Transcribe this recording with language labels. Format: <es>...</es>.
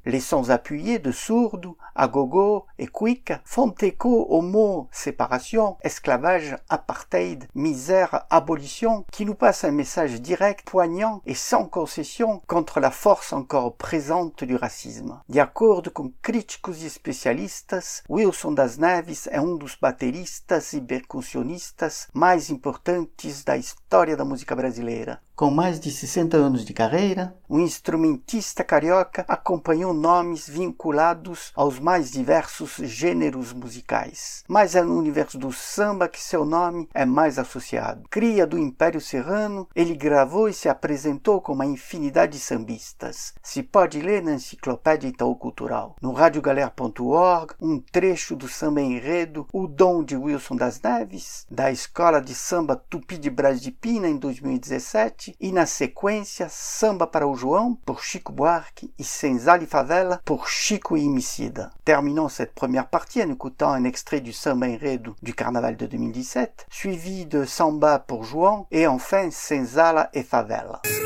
<fr>Les sons appuyés de Sourdou, Agogo et Quick font écho aux mots séparation, esclavage, apartheid, misère, abolition, qui nous passe un message direct, poignant et sans concession contre la force encore présente du racisme.</fr> <pt>De acordo com críticos e especialistas, Wilson das Neves é dos bateristas e percussionistas mais importantes da história da música brasileira. Com mais de 60 anos de carreira, um instrumentista carioca acompanhou nomes vinculados aos mais diversos gêneros musicais. Mas é no universo do samba que seu nome é mais associado. Cria do Império Serrano, ele gravou e se apresentou com uma infinidade de sambistas. Se pode ler na Enciclopédia Itaú Cultural. No radiogaler.org, um trecho do samba enredo O Dom de Wilson das Neves, da Escola de Samba Tupi de Brás de Pina, em 2017, e na sequência, Samba para o João, por Chico Buarque, e Senzala e Favela, por Chico e Emicida.</pt> <fr>Terminons cette première partie en écoutant un extrait du samba enredo du carnaval de 2017, suivi de Samba pour João, et enfin Senzala e Favela.</fr>